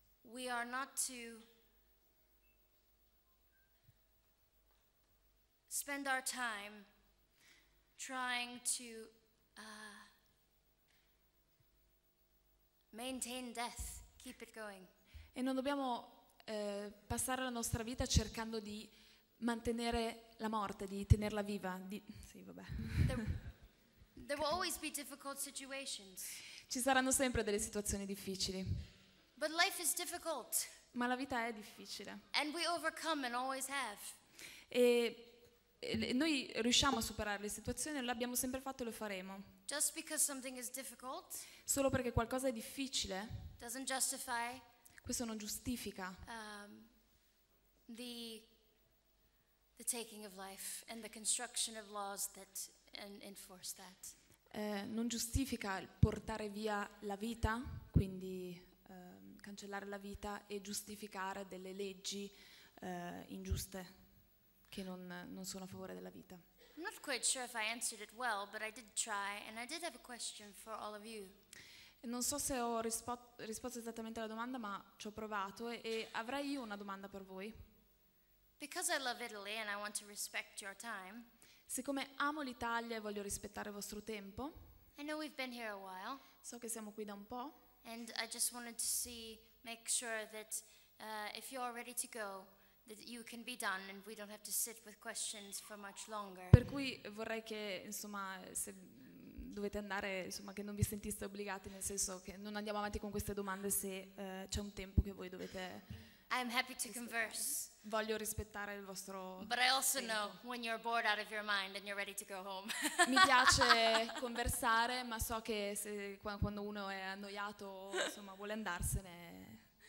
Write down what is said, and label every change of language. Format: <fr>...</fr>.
<en>We are not to spend our time trying to maintain death, keep it going.</en> <it>E non dobbiamo passare la nostra vita cercando di mantenere la morte, di tenerla viva. Sì, vabbè.</it> <en>There will always be difficult situations.</en> <it>Ci saranno sempre delle situazioni difficili.</it> <en>But life is difficult.</en> <it>Ma la vita è difficile.</it> <en>And we overcome and always have.</en> <it>E noi riusciamo a superare le situazioni, l'abbiamo sempre fatto e lo faremo.</it> <en>Just because something is difficult,</en> <it>solo perché qualcosa è difficile,</it> <en>doesn't justify.</en> <it>Questo non giustifica</it> <en>the taking of life and the construction of laws that enforce that.</en> <it>Non giustifica il portare via la vita, quindi cancellare la vita e giustificare delle leggi ingiuste che non sono a favore della vita.</it> <en>I'm not quite sure if I answered it well, but I did try and I did have a question for all of you.</en> <it>Non so se ho risposto esattamente alla domanda, ma ci ho provato e avrei io una domanda per voi.</it> <en>Because I love Italy and I want to respect your time.</en> <it>Siccome amo l'Italia e voglio rispettare il vostro tempo.</it> <en>I know we've been here a while.</en> <it>So che siamo qui da un po'.</it> <en>And I just wanted to see, make sure that if you're ready to go, that you can be done and we don't have to sit with questions for much longer.</en> <it>Per cui vorrei che, insomma, se dovete andare, insomma, che non vi sentiste obbligati, nel senso che non andiamo avanti con queste domande se c'è un tempo che voi dovete.</it> <en>I'm happy to converse.</en> <it>Voglio rispettare il vostro.</it> <en>But I also know when you're bored out of your mind and you're ready to go home.</en> <it>Mi piace conversare, ma so che se, quando uno è annoiato, insomma, vuole andarsene,</it>